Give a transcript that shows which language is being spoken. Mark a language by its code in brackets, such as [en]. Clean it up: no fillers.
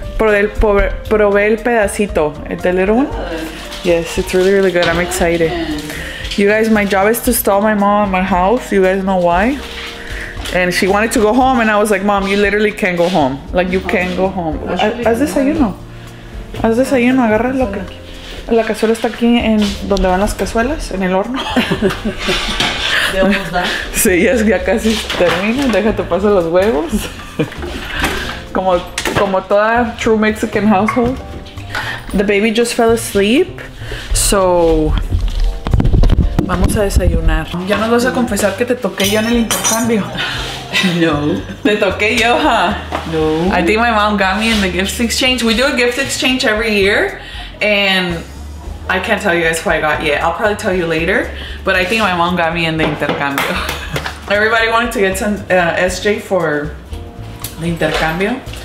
[es] Probé el pedacito. ¿Este [en] little one? Yes, it's really, really good. I'm excited. You guys, my job is to stall my mom at my house. You guys know why. And she wanted to go home, and I was like, Mom, you literally can't go home. Like, you can't go home. [es] Haz desayuno. Haz desayuno. Agarra lo que... La cazuela está aquí en donde van las cazuelas, en el horno. De [en] almost done. [es] Sí, ya casi termina. Déjate pasar los huevos. Como toda [en] true Mexican household. The baby just fell asleep, so [es] vamos a desayunar. Ya nos vas a confesar que te toqué yo en el intercambio. No. Te toqué yo, huh? No. [en] I think my mom got me in the gift exchange. We do a gift exchange every year, and I can't tell you guys who I got yet. I'll probably tell you later, but I think my mom got me in the intercambio. Everybody wanted to get some SJ for the intercambio.